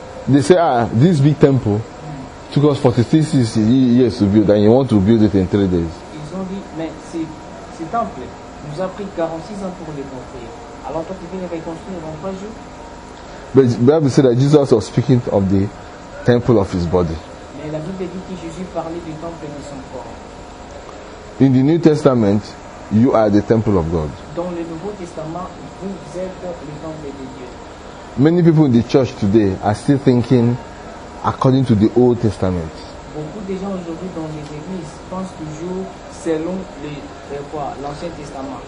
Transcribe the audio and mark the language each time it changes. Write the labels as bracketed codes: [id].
[en] They say, this big temple took us 46 years to build, and you want to build it in 3 days. [fr] Ils ont dit, mais ce temple nous a pris 46 ans pour le construire. Alors toi, tu viens le reconstruire en 3 jours? [en] But the Bible said that Jesus was speaking of the temple of his body. [fr] Mais la Bible dit que Jésus parlait du temple de son corps. [en] In the New Testament, you are the temple of God. [fr] Dans le Nouveau Testament, vous êtes le temple de Dieu. [en] Many people in the church today are still thinking according to the Old Testament. [fr] Beaucoup de gens aujourd'hui dans les églises pensent toujours selon l'Ancien Testament.